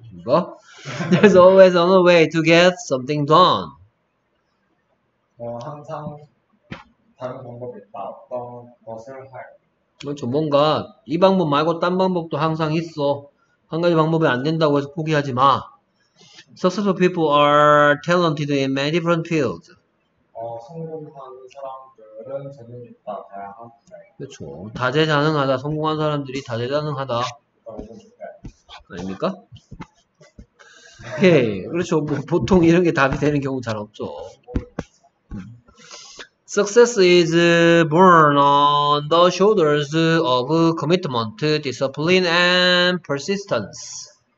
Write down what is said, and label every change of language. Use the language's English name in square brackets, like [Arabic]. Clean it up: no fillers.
[Korean] 이거? [English] There's always another way to get something done. [Korean] 항상 다른 방법이 있다. 어떤 것을 할. 그렇죠. 뭔가 이 방법 말고 딴 방법도 항상 있어. 한 가지 방법이 안 된다고 해서 포기하지 마. [English] Successful people are talented in many different fields. [Korean] 성공한 사람들은 재능이 있다. 다양한 그렇죠. 다재다능하다. 성공한 사람들이 다재다능하다. 아닙니까? 오케이. 그렇죠. 뭐 보통 이런 게 답이 되는 경우 잘 없죠. [English] Success is born on the shoulders of commitment, discipline, and persistence.